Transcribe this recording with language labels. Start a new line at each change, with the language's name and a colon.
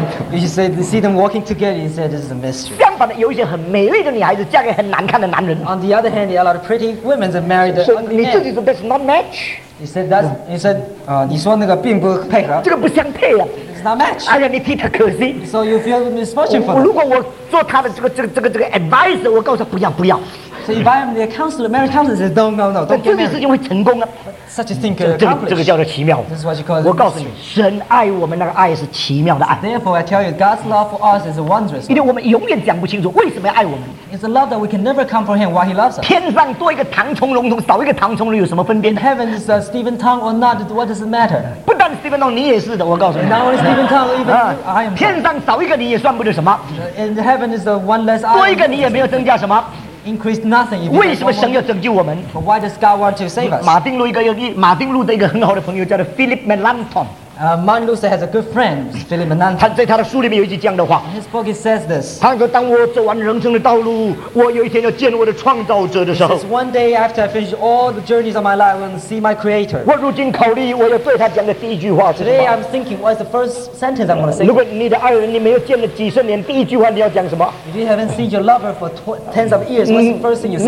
English: You say you see them walking together, you say this is a mystery.
Chinese: 相反的，有一些很美丽的女孩子嫁给很难看的男人。
English: On the other hand, there are a lot of pretty women that married the ugly man.
Chinese: 你自己说
English: that's not match. You said that. You said,
Chinese: 你说那个并不配合。这个不相配呀。哎呀，你替他可惜。
English: So you feel misfortune for him.
Chinese: 如果我做他的这个advisor， 我告诉他不要不要。
English: So if I am the counselor, marriage counselor, says, no, don't get married. Such a thing could accomplish. This is what you call the mystery. Therefore, I tell you, God's love for us is a wondrous love. It's a love that we can never comprehend why He loves us. In heaven is a Stephen Tong or not, what does it matter?
Chinese: Stephen Tong, 你也是的，我告诉你。
English: Now is Stephen Tong, even I am.
Chinese: 天上少一个你也算不得什么。
English: In heaven is the one less I.
Chinese: 多一个你也没有增加什么。
English: Increase nothing.
Chinese: 为什么神要拯救我们？
English: But why does God want to save us?
Chinese: 马丁路德一个很好的朋友叫做 Philip Melanchthon.
English: Martin Luther has a good friend, Philip Melanchthon.
Chinese: 他在他的书里面有一句这样的话。
English: In his book, he says this.
Chinese: 他说：“当我走完人生的道路，我有一天要见我的创造者的时候。”
English: He says, "One day after I finish all the journeys of my life, I will see my Creator."
Chinese: 我如今考虑我要对他讲的第一句话是什么
English: ？Today I'm thinking, what's the first sentence I'm going to say?
Chinese: 如果你的爱人你没有见了几十年，第一句话你要讲什么
English: ？If you haven't seen your lover for tens of years, what's the first thing you say?